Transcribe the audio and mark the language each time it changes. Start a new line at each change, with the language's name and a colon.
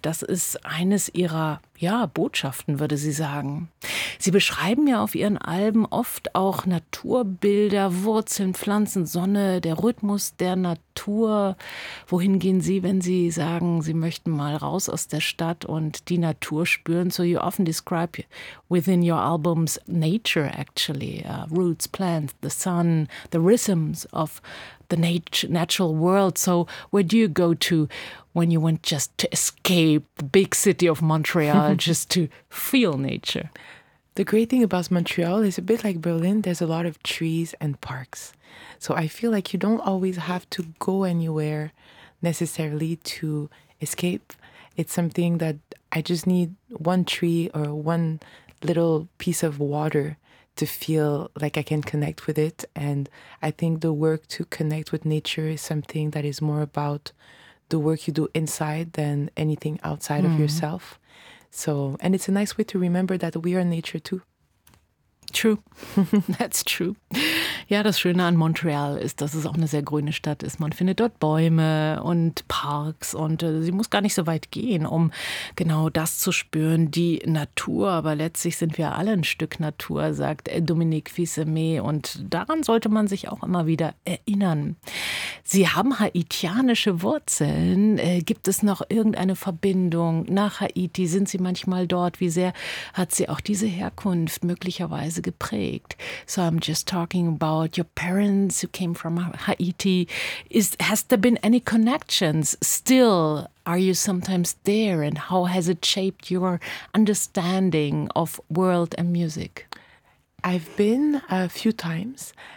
German: Das ist eines ihrer Botschaften, würde sie sagen. Sie beschreiben ja auf ihren Alben oft auch Naturbilder, Wurzeln, Pflanzen, Sonne, der Rhythmus der Natur. Wohin gehen Sie, wenn Sie sagen, Sie möchten mal raus aus der Stadt und die Natur spüren?
English: So you often describe within your albums nature actually, roots, plants, the sun, the rhythms of the natural world. So where do you go to when you want just to escape the big city of Montreal, just to feel nature? The great thing about Montreal is a bit like Berlin, there's a lot of trees and parks. So I feel like you don't always have to go anywhere necessarily to escape. It's something that I just need one tree or one little piece of water to feel like I can connect with it. And I think the work to connect with nature is something that is more about the work you do inside than anything outside of yourself. So, and it's a nice way to remember that we are nature too. True, that's true.
German: Ja, das Schöne an Montreal ist, dass es auch eine sehr grüne Stadt ist. Man findet dort Bäume und Parks und sie muss gar nicht so weit gehen, um genau das zu spüren, die Natur. Aber letztlich sind wir alle ein Stück Natur, sagt Dominique Fils-Aimé. Und daran sollte man sich auch immer wieder erinnern. Sie haben haitianische Wurzeln. Gibt es noch irgendeine Verbindung nach Haiti? Sind Sie manchmal dort? Wie sehr hat sie auch diese Herkunft möglicherweise geprägt?
English: So I'm just talking about your parents who came from Haiti. Has there been any connections still? Are you sometimes there? And how has it shaped your understanding of world and music? I've been a few times.